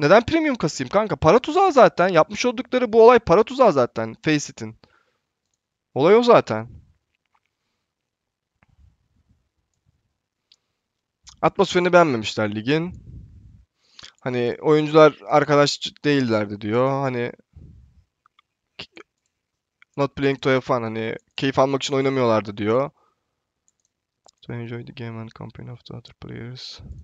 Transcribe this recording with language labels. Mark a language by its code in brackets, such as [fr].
[tr] Neden premium kasayım kanka? Para tuzağı zaten. Yapmış oldukları bu olay para tuzağı zaten. Faceit'in. Olay o zaten. Beğenmemişler ligin. Hani oyuncular arkadaş değillerdi diyor. Hani [en] not playing to have fun. [tr] Hani keyif almak için oynamıyorlardı diyor. [en] To enjoy the game and company of the other players.